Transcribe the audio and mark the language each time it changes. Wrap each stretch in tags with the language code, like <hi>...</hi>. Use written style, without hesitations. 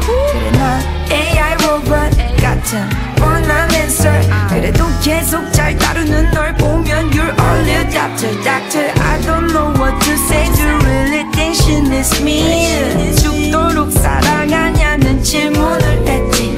<ko>그래 난 AI 로봇 같은 원한 answer. 그래도 계속 잘 따르는 널 보면</ko> <en>you're only a doctor. Doctor, I don't know what to say. Do you really think she needs me?</en> <ko>죽도록 사랑하냐는 질문을 했지.</ko>